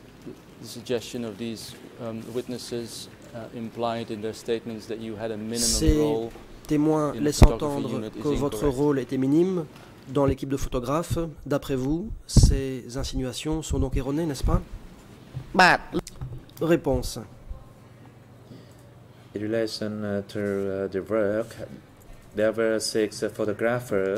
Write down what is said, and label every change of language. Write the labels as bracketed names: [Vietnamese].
[French] la suggestion de ces [English] witnesses implied in their statements that you had a minimum role. [French] Ces témoins laissent entendre que votre rôle était minime. Dans l'équipe de photographes, d'après vous, ces insinuations sont donc erronées, n'est-ce pas ? Réponse. [English] In relation to the work, there were six photographers.